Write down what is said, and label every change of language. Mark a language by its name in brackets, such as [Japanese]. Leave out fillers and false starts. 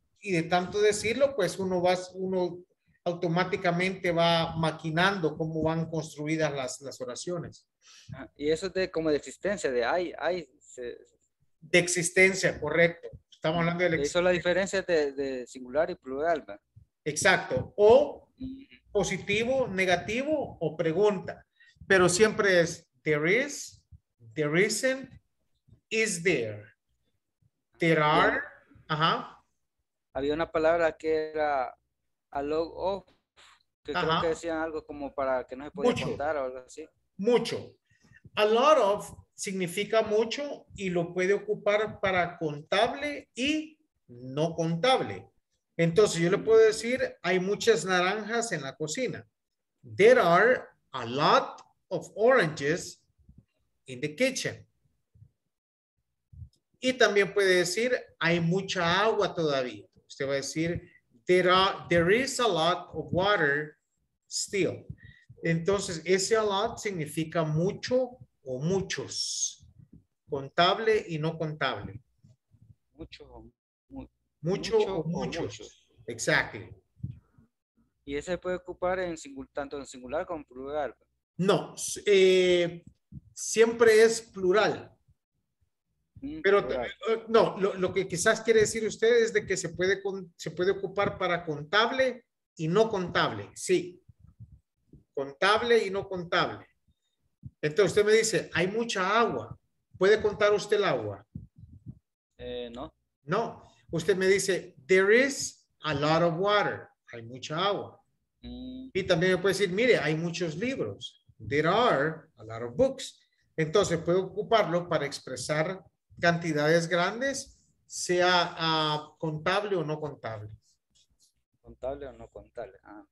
[Spanish] Y de tanto decirlo, pues uno automáticamente va maquinando cómo van construidas las oraciones. Y eso es de como de existencia, de hay. De existencia, correcto. Estamos hablando de la existencia. Eso es la diferencia de singular y plural, ¿verdad? Exacto. O positivo, negativo o pregunta. Pero siempre es [English] there is, there isn't, is there. There are. Ajá. [Spanish] Había una palabra que era [English] a log of, [Spanish] que ajá, creo que decían algo como para que no se podía mucho contar o algo así. Mucho. [English] A lot of [Spanish] significa mucho y lo puede ocupar para contable y no contable. Entonces yo le puedo decir, hay muchas naranjas en la cocina. [English] There are a lot of oranges in the kitchen. [Spanish] Y también puede decir, hay mucha agua todavía. Usted va a decir, [English] there is a lot of water still. [Spanish] Entonces, ese [English] a lot [Spanish] significa mucho o muchos. Contable y no contable. Mucho o muchos. Exacto. ¿Y ese puede ocupar tanto en singular como en plural? No. Siempre es plural. Pero no, lo que quizás quiere decir usted es de que se puede ocupar para contable y no contable. Sí, contable y no contable. Entonces usted me dice, hay mucha agua. ¿Puede contar usted el agua? No. No, usted me dice, [English] there is a lot of water. [Spanish] Hay mucha agua. Y también me puede decir, mire, hay muchos libros. [English] There are a lot of books. [Spanish] Entonces puedo ocuparlo para expresar cantidades grandes, sea contable o no contable. Contable o no contable. Ah,